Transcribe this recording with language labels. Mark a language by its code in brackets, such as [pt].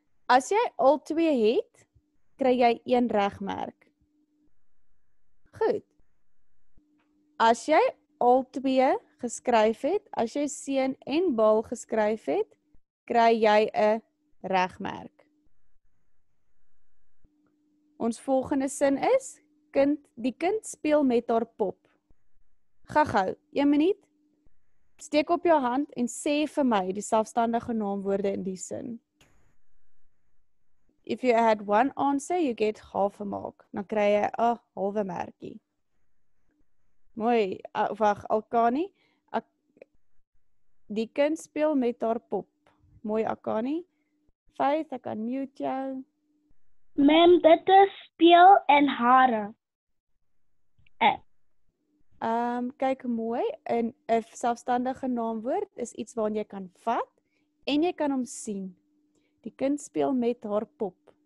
[af] As jy al twee het, kry jy 1 regmerk. Goed, as jy al twee geskryf het, as jy seun en bal geskryf het, kry jy 'n regmerk. Ons volgende sin is, die kind speel met haar pop. Gaga, 1 minuut. Steek op jou hand en sê vir my die selfstandige naamwoorde in die sin. [en] If you had one answer, you get half a mark. [af] Dan kry jy 'n halwe merkie. Mooi, wag, Alkani. Die kind speel met haar pop. Mooi, Alkani. Faith, ek unmute jou. Ma'am, dit is speel en hare. Kyk mooi, 'n selfstandige naamwoord is iets waarin jy kan vat en jy kan hom sien. Die kind speel met haar pop.